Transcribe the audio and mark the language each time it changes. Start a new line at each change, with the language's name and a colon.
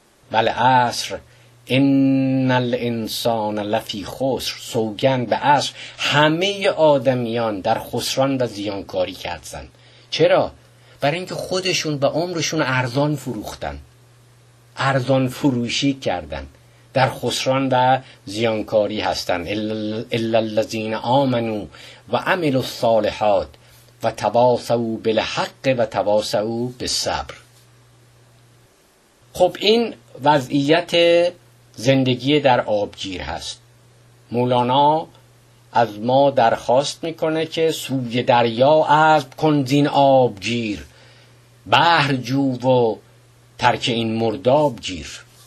Persian: بله عصر،
Arabic: ان الانسان لفی خسر،
Persian: سوگند به عصر، همه آدمیان در خسران و زیانکاری کردند. چرا؟ برای اینکه خودشون و عمرشون ارزان فروختن، ارزان فروشی کردن، در خسران و زیانکاری هستن.
Arabic: الا الذين امنوا وعملوا الصالحات وتواصوا بالحق وتواصوا بالصبر.
Persian: خب این وضعیت زندگی در آبگیر هست. مولانا از ما درخواست میکنه که سوی دریا عزم کن زین آبگیر، بحر جو و ترک این مرداب گیر.